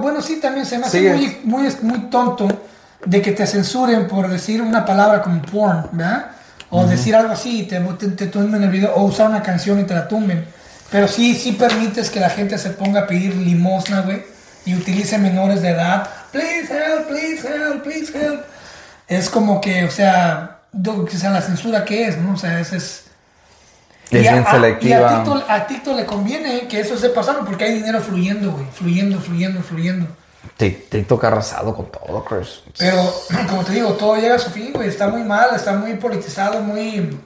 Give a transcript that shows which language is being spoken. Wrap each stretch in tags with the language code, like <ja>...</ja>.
<es>Bueno, sí, también se me hace muy tonto de que te censuren por decir una palabra como porn, ¿verdad? O decir algo así y te tumben el video. O usar una canción y te la tumben. Pero sí permites que la gente se ponga a pedir limosna, güey. Y utilice menores de edad.</es> <en>Please help, please help, please help.</en> <es>Es como que, o sea, la censura, ¿qué es? ¿No? O sea, es... Es bien selectiva. Y a TikTok le conviene que eso se pasara porque hay dinero fluyendo, güey. Fluyendo. TikTok ha arrasado con todo, Chris. Pero, como te digo, todo llega a su fin, güey. Está muy mal, está muy politizado, muy...</es>